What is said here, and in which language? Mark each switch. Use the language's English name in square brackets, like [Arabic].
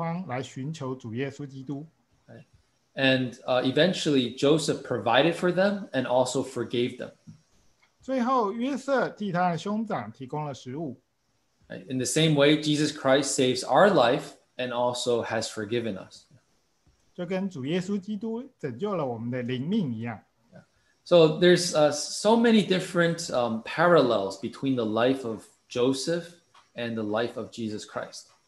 [Chinese] 这其实预表着我们在灵性上会有一个饥荒来寻求主耶稣基督。 [English] And eventually, Joseph provided for them and also forgave them. [Chinese] 最后，约瑟替他的兄长提供了食物。 [English] In the same way, Jesus Christ saves our life and also has forgiven us. [Chinese] 就跟主耶稣基督拯救了我们的灵命一样。 [English] So there's so many different parallels between the life of Joseph and the life of Jesus Christ.